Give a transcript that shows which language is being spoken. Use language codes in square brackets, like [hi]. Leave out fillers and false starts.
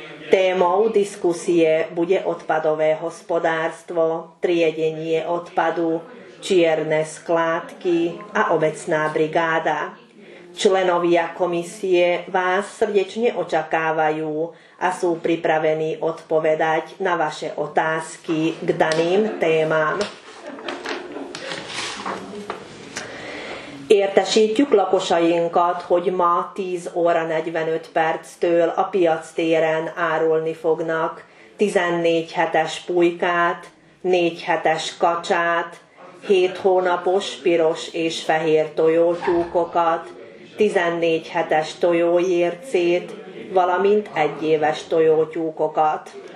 [sk] Témou diskusie bude odpadové hospodárstvo, triedenie odpadu, čierne skládky a obecná brigáda. Členovia komisie vás srdečne očakávajú a sú pripravení odpovedať na vaše otázky k daným témám. [hu] Értesítjük lakosainkat, hogy ma 10 óra 45 perctől a piac téren árulni fognak 14 hetes pulykát, 4 hetes kacsát, 7 hónapos piros és fehér tojótyúkokat, 14 hetes tojóércét, valamint 1 éves tojótyúkokat.